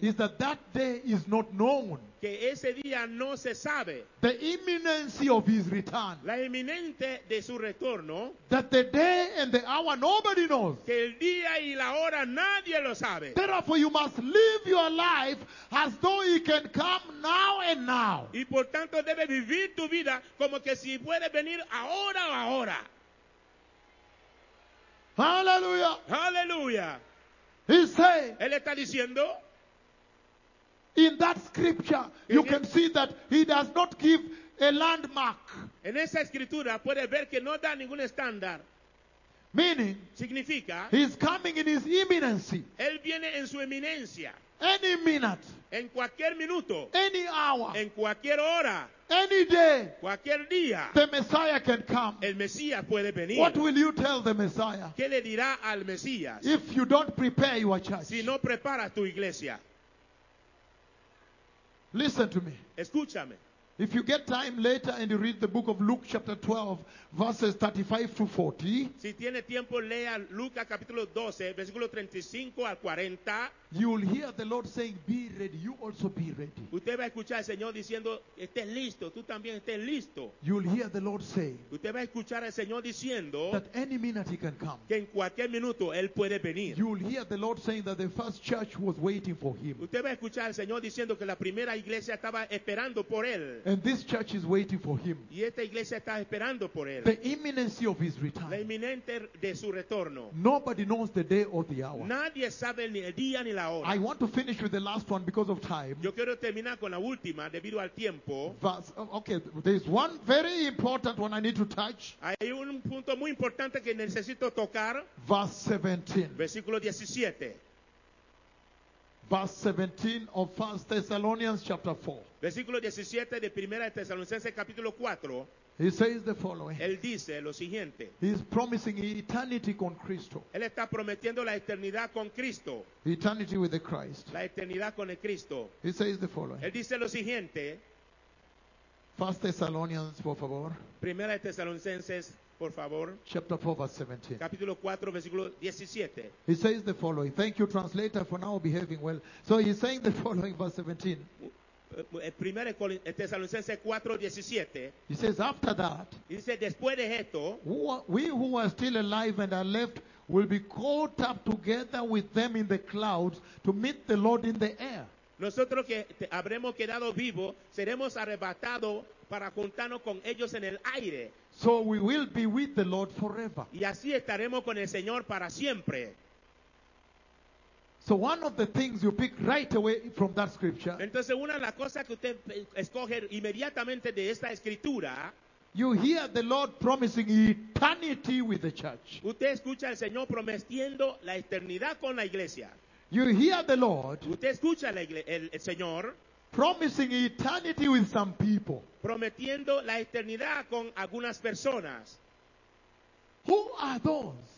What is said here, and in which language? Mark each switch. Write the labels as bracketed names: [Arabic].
[English] Is that that day is not known. [Spanish] Que ese día no se sabe. [English] The imminency of his return. [Spanish] La inminente de su retorno. [English] That the day and the hour nobody knows. [Spanish] Que el día y la hora nadie lo sabe. [English] Therefore you must live your life as though he can come now and now. [Spanish] Y por tanto debe vivir tu vida como que si puede venir ahora o ahora. [English] Hallelujah. [Spanish] Hallelujah. [English] He said, [Spanish] él está diciendo, [English] in that scripture, you can see that he does not give a landmark. [Spanish] En esa escritura puede ver que no da ningún estándar. [English] Meaning, [Spanish] significa, [English] he's coming in his imminency. [Spanish] Él viene en su eminencia. [English] Any minute. [Spanish] En cualquier minuto. [English] Any hour. [Spanish] En cualquier hora. [English] Any day. [Spanish] Cualquier día. [English] The Messiah can come. [Spanish] El Mesías puede venir. [English] What will you tell the Messiah? [Spanish] ¿Qué le dirá al Mesías? [English] If you don't prepare your church. [Spanish] Si no preparas tu iglesia. [English] Listen to me. [Spanish] Escúchame. [English] If you get time later and you read the book of Luke chapter 12, verses 35 to 40. [Spanish] Si tiene tiempo, lea Lucas capítulo 12, versículo 35 al 40. [English] You will hear the Lord saying, "Be ready." You also be ready. [Spanish] Usted va a escuchar al Señor diciendo, "Esté listo." Tú también esté listo. [English] You will hear the Lord say. [Spanish] Usted va a escuchar al Señor diciendo [English] that any minute he can come. [Spanish] Que en cualquier minuto él puede venir. [English] You will hear the Lord saying that the first church was waiting for him. [Spanish] Usted va a escuchar al Señor diciendo que la primera iglesia estaba esperando por él. [English] And this church is waiting for him. [Spanish] Y esta iglesia está esperando por él. [English] The imminency of his return. [Spanish] La inminente de su retorno. [English] Nobody knows the day or the hour. [Spanish] Nadie sabe ni el día ni la hora. [English] I want to finish with the last one because of time. [Spanish] Yo quiero terminar con la última debido al tiempo. [English] Okay, there's one very important one I need to touch. [Spanish] Hay un punto muy importante que necesito tocar. [English] Verse 17. [Spanish] Versículo 17. [English] Verse 17 of 1 Thessalonians chapter 4. [Spanish] Versículo 17 de Primera de Tesalonicenses capítulo 4. [English] He says the following. [Spanish] Él dice lo siguiente. [English] He is promising eternity [Spanish] con Cristo. Él está prometiendo la eternidad con Cristo. [English] Eternity with the Christ. [Spanish] La eternidad con el Cristo. [English] He says the following. [Spanish] Él dice lo siguiente. [English] 1 Thessalonians, [Spanish] por favor. Primera de Tesalonicenses, por favor. [English] Chapter 4, verse 17. [Spanish] Capítulo 4, versículo 17. [English] He says the following. Thank you, translator, for now behaving well. So he's saying the following, verse 17. [Spanish] Primera de Tesalonicenses 4, 17. [English] He says, after that, [Spanish] he dice, después de esto, [English] we who are still alive and are left will be caught up together with them in the clouds to meet the Lord in the air. [Spanish] Nosotros que habremos quedado vivos, seremos arrebatados para juntarnos con ellos en el aire. [English] So we will be with the Lord forever. [Spanish] Y así estaremos con el Señor para siempre. [English] So one of the things you pick right away from that scripture. [Spanish] Entonces una de las cosas que usted escoge inmediatamente de esta escritura. [English] You hear the Lord promising eternity with the church. [Spanish] Usted escucha al Señor prometiendo la eternidad con la iglesia. [English] You hear the Lord. [Spanish] Usted escucha el Señor. [English] Promising eternity with some people. [Spanish] Prometiendo la eternidad con algunas personas. [English] Who are those?